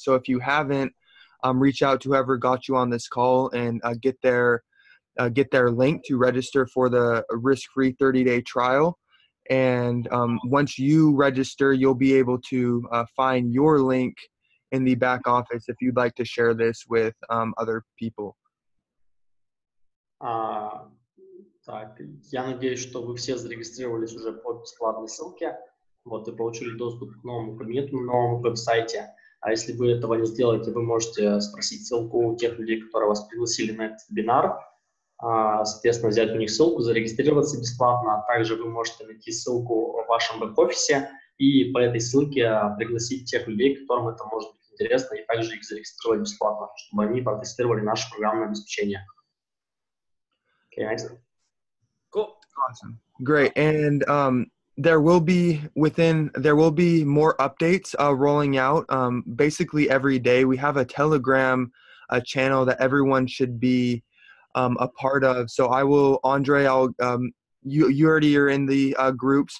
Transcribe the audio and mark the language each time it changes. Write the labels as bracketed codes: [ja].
[en] So if you haven't, reach out to whoever got you on this call and get their link to register for the risk-free 30-day trial. And once you register, you'll be able to find your link in the back office if you'd like to share this with other people. [ru] Так, я надеюсь, что вы все зарегистрировались уже по бесплатной ссылке, вот, и получили доступ к новому комьюнити, новому веб-сайте. А если вы этого не сделаете, вы можете спросить ссылку у тех людей, которые вас пригласили на этот вебинар, соответственно, взять у них ссылку, зарегистрироваться бесплатно. Также вы можете найти ссылку в вашем веб-офисе и по этой ссылке пригласить тех людей, которым это может быть интересно, и также их зарегистрировать бесплатно, чтобы они протестировали наше программное обеспечение. [en] Okay, nice. Awesome. Great. And there will be more updates rolling out basically every day. We have a Telegram channel that everyone should be a part of. So I will, Andre, you already are in the groups.